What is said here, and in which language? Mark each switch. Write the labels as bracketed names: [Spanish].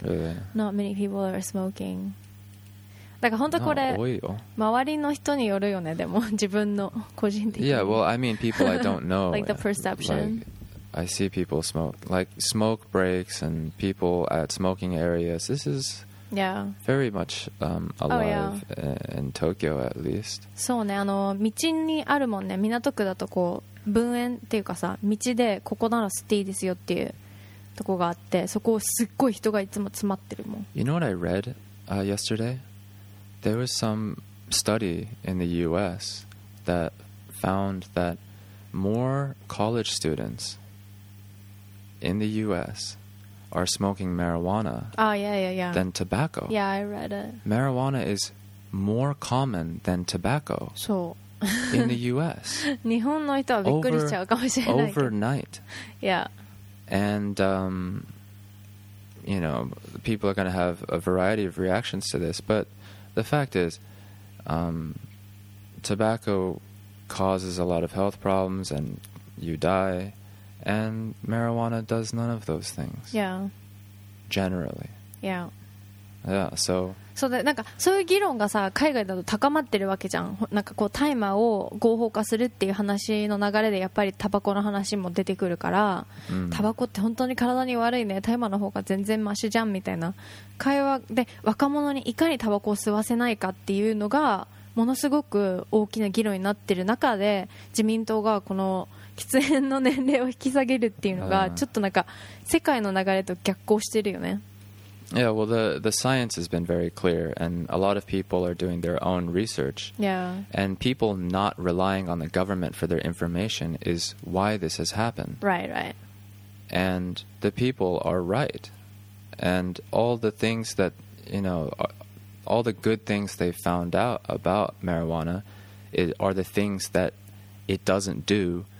[English] really? not many people are smoking. [Japanese] だから本当これ、周りの人によるよね、でも自分の個人的に。 [English] Yeah, well, I mean, people I don't know. like the perception. Like, I see people smoke. Like, smoke breaks and people at smoking areas. This is... Yeah. Very much alive、oh, yeah. in Tokyo at least. [Japanese] そうね、あの道にあるもんね。港区だとこう分煙っていうかさ、道でここなら吸っていいですよっていうとこがあって、そこをすっごい人がいつも詰まってるもん。 [English] You know what I read yesterday? There was some study in the U.S. that found that more college students in the U.S. are smoking marijuana than tobacco. Yeah, I read it. Marijuana is more common than tobacco in the U.S. [Japanese] 日本の人はびっくりしちゃうかもしれない。 [English] Overnight. Yeah. And, you know, people are going to have a variety of reactions to this, but the fact is, tobacco causes a lot of health problems and you die. And marijuana does none of those things. Yeah. Generally. Yeah. Yeah, so... [Japanese] そうだ、なんかそういう議論がさ、海外だと高まってるわけじゃん。なんかこう、大麻を合法化するっていう話の流れで、やっぱりタバコの話も出てくるから、タバコって本当に体に悪いね、大麻の方が全然マシじゃんみたいな会話で、若者にいかにタバコを吸わせないかっていうのが、ものすごく大きな議論になってる中で、自民党がこの、喫煙の年齢を引き下げるっていうのがちょっとなんか世界の流れと逆行してるよね。 [English] Yeah, well, the science has been very clear, and a lot of people are doing their own research. Yeah. And people not relying on the government for their information is why this has happened. Right, right. And the people are right. And all the things that, you know, all the good things they found out about marijuana are the things that it doesn't do.